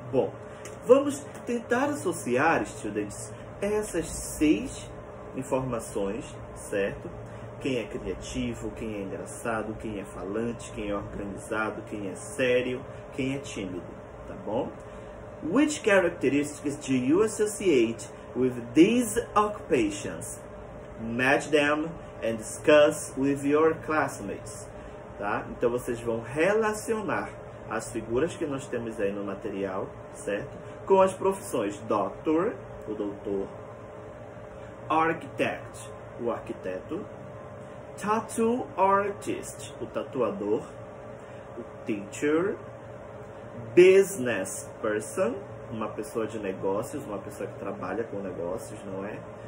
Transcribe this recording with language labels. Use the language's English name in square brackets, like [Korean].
[Portuguese] Bom, vamos tentar associar, students, essas seis informações, certo? Quem é criativo, quem é engraçado, quem é falante, quem é organizado, quem é sério, quem é tímido, tá bom? [English] Which characteristics do you associate with these occupations? Match them and discuss with your classmates. Tá? [Portuguese] Então vocês vão relacionar as figuras que nós temos aí no material, certo? Com as profissões doctor, o doutor, architect, o arquiteto, tattoo artist, o tatuador, o teacher, business person, uma pessoa de negócios, uma pessoa que trabalha com negócios, não é?